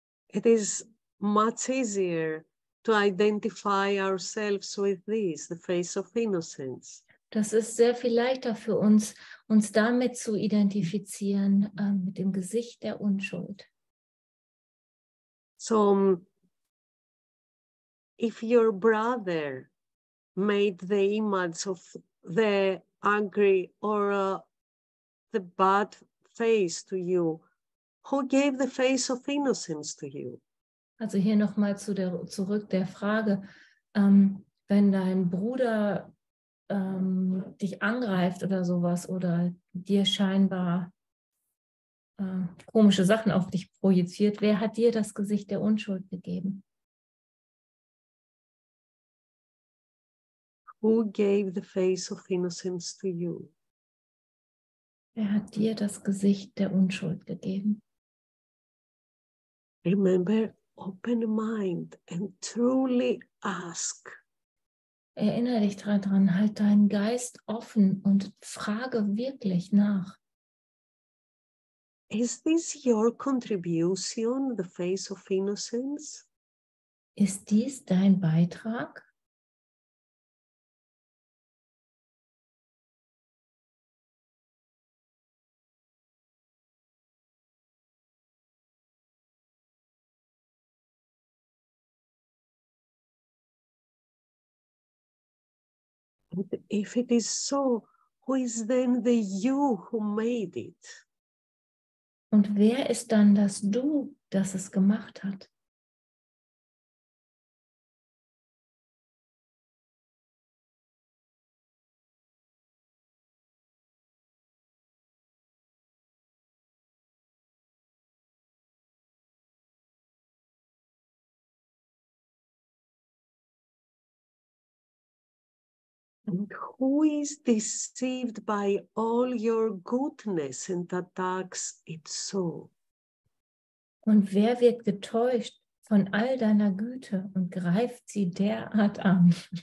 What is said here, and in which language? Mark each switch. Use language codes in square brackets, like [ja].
[en] It is much easier to identify ourselves with this, the face of innocence. [de] Das ist sehr viel leichter für uns, uns damit zu identifizieren, mit dem Gesicht der Unschuld. [en] So, if your brother made the image of the angry or the bad face to you, who gave the face of innocence to you? [de] Also hier nochmal zurück der Frage, wenn dein Bruder dich angreift oder sowas oder dir scheinbar komische Sachen auf dich projiziert, wer hat dir das Gesicht der Unschuld gegeben? [en] Who gave the face of innocence to you? [de] Wer hat dir das Gesicht der Unschuld gegeben? [en] Remember, open mind and truly ask. [de] Erinnere dich daran, halt deinen Geist offen und frage wirklich nach. [en] Is this your contribution, the face of innocence? [de] Ist dies dein Beitrag? [en] If it is so, who is then the you who made it? [de] Und wer ist dann das Du, das es gemacht hat? [en] And who is deceived by all your goodness and attacks it so? [de] Und wer wird getäuscht von all deiner Güte und greift sie derart an?